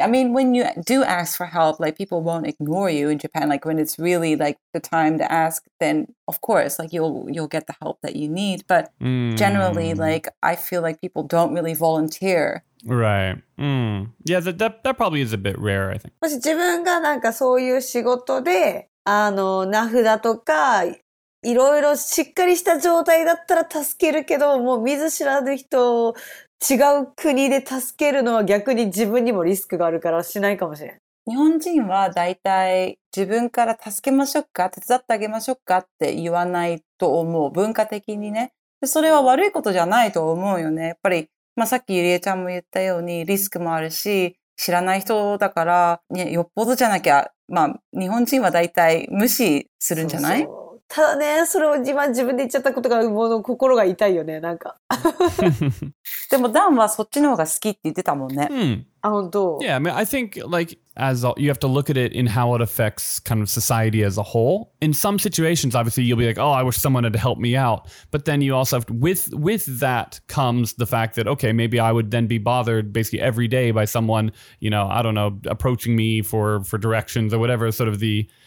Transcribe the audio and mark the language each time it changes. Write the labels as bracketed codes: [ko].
[en] I mean, when you do ask for help, like people won't ignore you in Japan. Like when it's really like the time to ask, then of course, like you'll get the help that you need. But generally, like I feel like people don't really volunteer. Right. Yeah, that probably is a bit rare, I think. [ja] もし自分がなんかそういう仕事で、あの、名札とかいろいろしっかりした状態だったら助けるけど、もう見ず知らぬ人を違う国で助けるのは逆に自分にもリスクがあるからしないかもしれない。日本人はだいたい自分から助けましょうか、手伝ってあげましょうかって言わないと思う。文化的にね。それは悪いことじゃないと思うよね。やっぱり、まあ、さっきゆりえちゃんも言ったようにリスクもあるし、知らない人だから、ね、よっぽどじゃなきゃ、まあ、日本人はだいたい無視するんじゃない？そうそう、ただね、それを今自分で言っちゃったことがもう心が痛いよね、なんか。でもダンはそっちの方が好きって言ってたもんね。あ、本当。 [en] Yeah, I mean, I think like as a, you have to look at it in how it affects kind of society as a whole. In some situations, obviously, you'll be like, oh, I wish someone had helped me out. But then you also have to, with that comes the fact that, okay, maybe I would then be bothered basically every day by someone, you know, I don't know, approaching me for directions or whatever, sort of the...